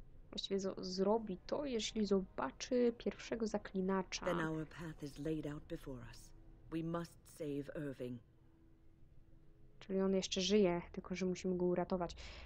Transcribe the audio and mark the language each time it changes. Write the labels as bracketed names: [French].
[Polish] Właściwie zrobi to, jeśli zobaczy pierwszego zaklinacza. [English] Then our path is laid out before us. We must save Irving. [Polish] Czyli on jeszcze żyje, tylko że musimy go uratować.